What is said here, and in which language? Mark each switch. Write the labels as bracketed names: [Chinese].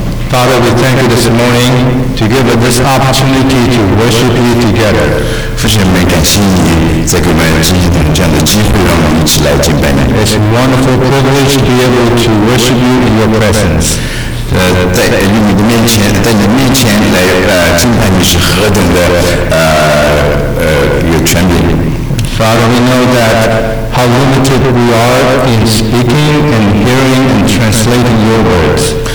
[English] Father, we thank you this morning to give us this opportunity to worship you together. [Chinese] 非常感谢你在给我们今天这样的机会，让我们一起来敬拜你。 [English] It's a wonderful privilege to be able to worship you in your presence. [Chinese] 在你的面前来敬拜你是何等的有权柄。 [English] Father, we know that how limited we are in speaking and hearing and translating your words.